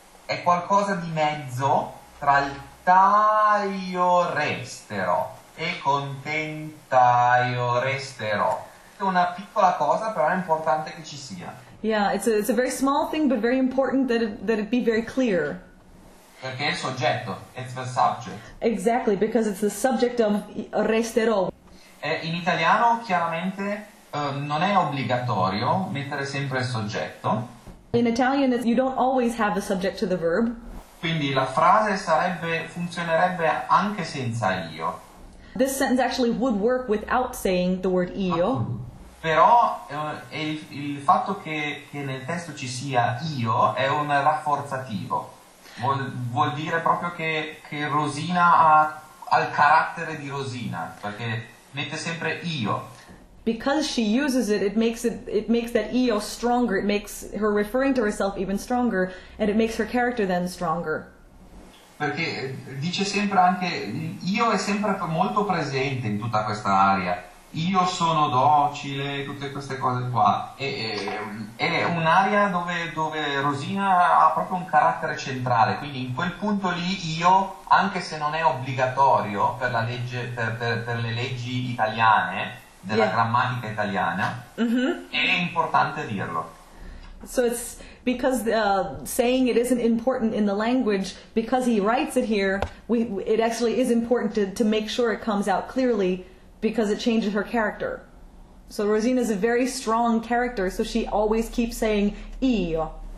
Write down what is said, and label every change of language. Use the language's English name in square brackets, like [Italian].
[Italian] è qualcosa di mezzo tra il taio restero e contentaio resterò. Una piccola cosa, però è importante che ci sia. [English] Yeah, it's a very small thing, but very important that it be very clear. [Italian] Perché è il soggetto, [English] it's the subject. Exactly, because it's the subject of resterò. [Italian] In italiano, chiaramente, non è obbligatorio mettere sempre il soggetto. [English] In Italian, you don't always have the subject to the verb. [Italian] Quindi la frase funzionerebbe anche senza io. [English] This sentence actually would work without saying the word io. [Italian] Però il fatto che nel testo ci sia io è un rafforzativo. Vuol dire proprio che Rosina ha il carattere di Rosina, perché mette sempre io. [English] Because she uses it, it makes that io stronger. It makes her referring to herself even stronger, and it makes her character then stronger. [Italian] Perché dice sempre anche io è sempre molto presente in tutta questa area. Io sono docile, tutte queste cose qua. È un'area dove Rosina ha proprio un carattere centrale. Quindi in quel punto lì io, anche se non è obbligatorio per la legge per le leggi italiane della grammatica italiana, mm-hmm. è importante dirlo. [English] So it's because saying it isn't important in the language, because he writes it here, it actually is important to make sure it comes out clearly, because it changes her character. So Rosina is a very strong character, so she always keeps saying io.